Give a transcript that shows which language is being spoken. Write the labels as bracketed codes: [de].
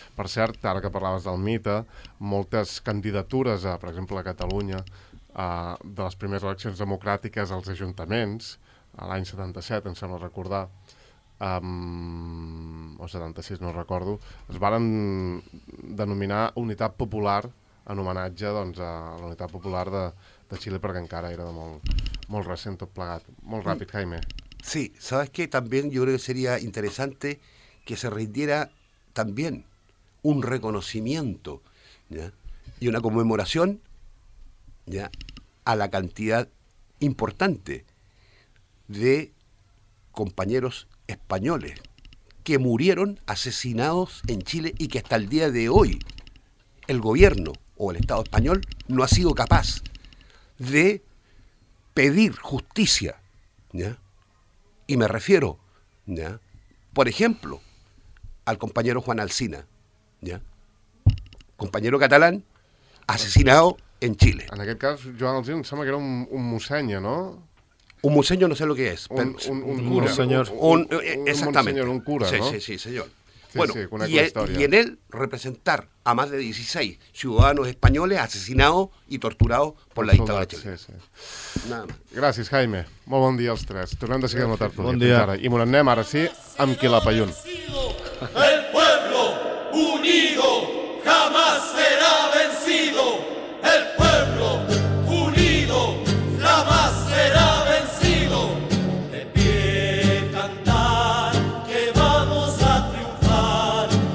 [ca] Per cert, ara que parlaves del mite, moltes candidatures, per exemple, a Catalunya, de les primeres eleccions democràtiques als ajuntaments, a l'any 77, em sembla recordar, o 76, no recordo, es varen denominar Unitat Popular en homenatge, doncs, a la Unitat Popular de Xile, perquè encara era de molt, molt recent tot plegat. Molt ràpid, Jaime. Sí, [es] sabes que [ca] també jo crec que seria interessant [es] que se rindiera también un reconocimiento, ¿ya? Y una conmemoración, ¿ya? A la cantidad importante de compañeros españoles que murieron asesinados en Chile y que hasta el día de hoy el gobierno o el Estado español no ha sido capaz de pedir justicia, ¿ya? Y me refiero, ¿ya? Por ejemplo, al compañero Juan Alsina, ¿ya? Compañero catalán asesinado en Chile. En aquel caso, Joan Alsina, me parece que era un museño, ¿no? Un museño, no sé lo que es. Un señor. Exactamente. Un cura, ¿no? Sí, sí, sí, señor. Sí, bueno, sí, con y en él representar a más de 16 ciudadanos españoles asesinados y torturados por la dictadura chilena. Sí, sí. Nada más. [ca] Gràcies, Jaime. Molt bon dia als tres. Tornem de seguir a notar-te. Bon dia. I m'ho anem ara sí amb Quilapayún. [es] El pueblo unido jamás será vencido. El pueblo unido jamás será vencido. De pie cantar que vamos a triunfar.